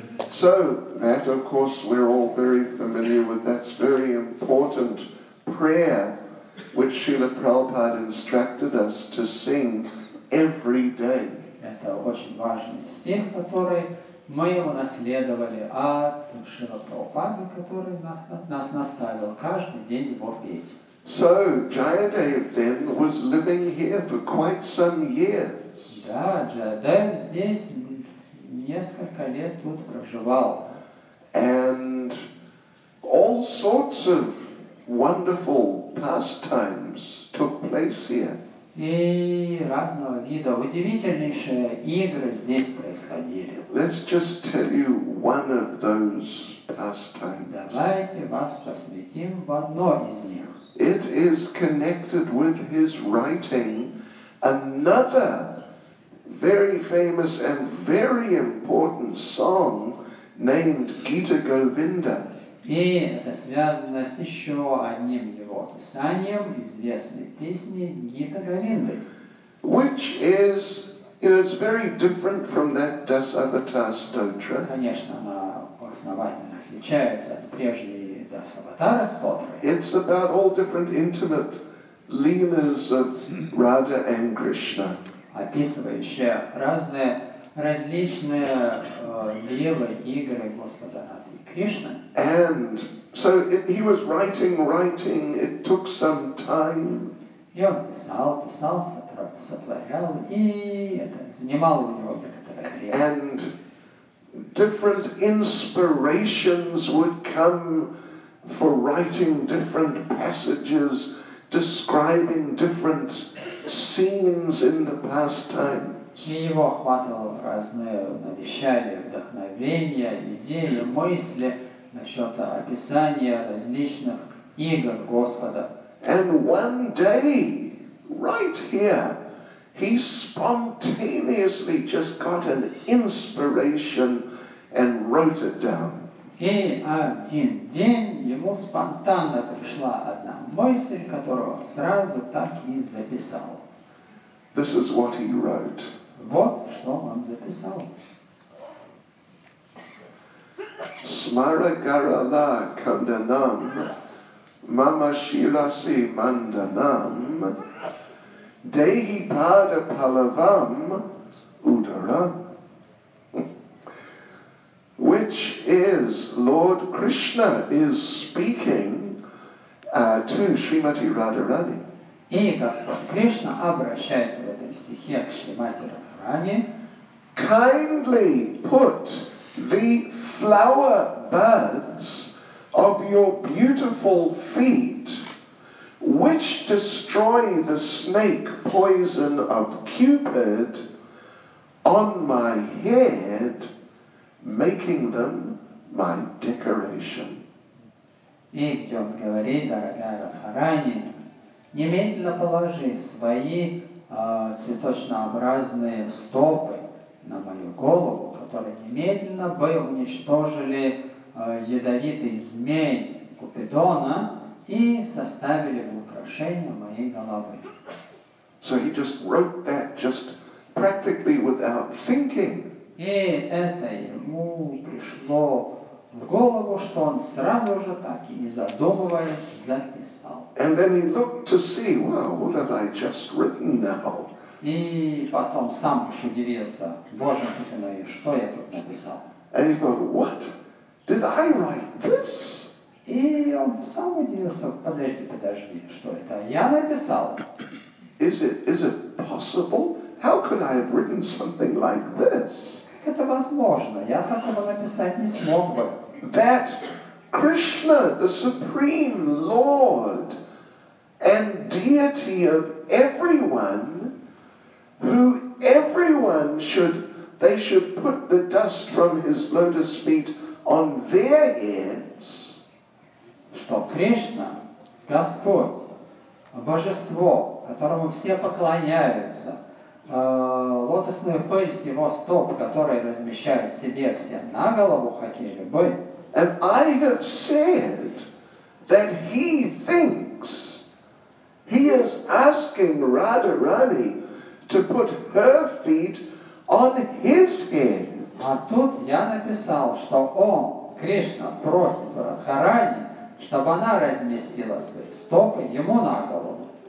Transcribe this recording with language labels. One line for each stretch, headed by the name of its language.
English: So that, of course, we're all very familiar with. That's very important prayer which Srila Prabhupada instructed us to sing every day.
Russian: Это очень важный стих, который мы унаследовали от Шрила Прабхупады, который нас наставил каждый день его петь.
English: So Jayadev then was living here for quite some years.
Russian: Да, Jayadev здесь несколько лет тут проживал.
English: And all sorts of wonderful pastimes took place here.
Russian: И разного вида удивительнейшие игры здесь происходили.
English: Let's just tell you one of those pastimes.
Russian: Давайте вас посвятим в одно из них.
English: It is connected with his writing another very famous and very important song named Gita Govinda.
Russian: И это связано с еще одним его описанием известной песни Гита Говинды.
English: Which is, you know, it's very different from that Das Avatar Stotra.
Russian: Конечно, она основательно отличается от прежней Das Avatar Stotra.
English: It's about all different intimate leelas of Radha and Krishna.
Russian: Описывающие разные различные лилы, игры Господа Радхи и Кришны.
English: And so he was writing, it took some time.
Russian: И он писал, сотворял, и это занимало у него некоторое время.
English: And different inspirations would come for writing different passages, describing different scenes in the pastimes.
Russian: И его охватывало разные навещания, вдохновения, идеи, мысли насчет описания различных игр Господа.
English: And one day, right here, he spontaneously just got an inspiration and wrote it down.
Russian: И один день ему спонтанно пришла одна мысль, которую он сразу так и записал.
English: This is what he wrote.
Russian: Вот что он записал.
Sanskrit: Smaragarala kandanam mama shilasi mandanam dehi pada palavam udara.
English: Which is Lord Krishna is speaking to Srimati Radharani.
Russian: И Господь Кришна обращается в этом стихе к Шримати Радхарани.
English: Kindly put the flower buds of your beautiful feet, which destroy the snake poison of Cupid, on my head, making them my decoration.
Russian: И он говорит, дорогая Радхарани, немедленно положи свои цветочнообразные стопы на мою голову, которые немедленно бы уничтожили ядовитый змей Купидона и составили бы украшение моей головы.
English: So he just wrote that just practically without thinking.
Russian: И это ему пришло в голову, что он сразу же так и не задумываясь записал.
English: And then he looked to see, well, what have I just written now?
Russian: И потом сам уж удивился, Боже мой, что я тут написал?
English: And he thought, what? Did I write this?
Russian: И он сам удивился, подожди, что это я написал?
English: Is it possible? How could I have written something like this?
Russian: Как это возможно? Я такого написать не смог бы.
English: That Krishna, the Supreme Lord and deity of everyone, who everyone should put the dust from his lotus feet on their heads.
Russian: Что Кришна, Господь, Божество, которому все поклоняются, лотосную пыль с его стоп, который размещают себе все на голову, хотели бы.
English: And I have said that he thinks he is asking Radharani to put her feet on his head.
Russian: А тут я написал, что он, Кришна, просит Радхарани, чтобы она разместила свои стопы ему на голову.